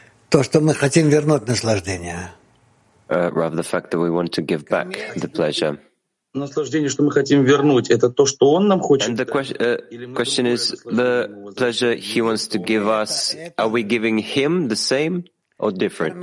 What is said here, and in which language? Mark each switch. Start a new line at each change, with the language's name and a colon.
Russian: То, что мы хотим вернуть наслаждение.
English: Rather the fact that we want to give back the pleasure.
Russian: Наслаждение, что мы хотим вернуть, это то, что он нам хочет.
English: And the question is, the pleasure he wants to give us, are we giving him the same or different?